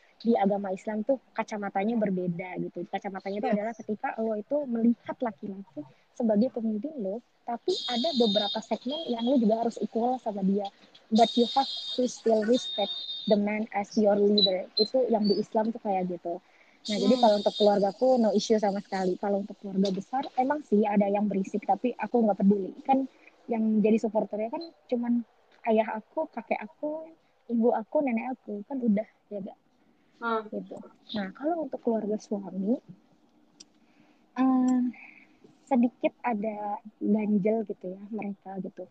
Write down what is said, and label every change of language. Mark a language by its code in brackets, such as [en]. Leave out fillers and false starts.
[id] di agama Islam tuh kacamatanya berbeda gitu. Kacamatanya itu adalah ketika lo itu melihat laki-laki sebagai pemimpin lo, tapi ada beberapa segmen yang lo juga harus equal sama dia. [en] But you have to still respect the man as your leader. [id] Itu yang di Islam tuh kayak gitu. Nah, jadi kalau untuk keluargaku no issue sama sekali. Kalau untuk keluarga besar emang sih ada yang berisik, tapi aku enggak peduli. Kan yang jadi supporternya kan cuman ayah aku, kakek aku, ibu aku, nenek aku, kan udah ya enggak. Gitu. Nah, kalau untuk keluarga suami sedikit ada ganjel gitu ya mereka gitu.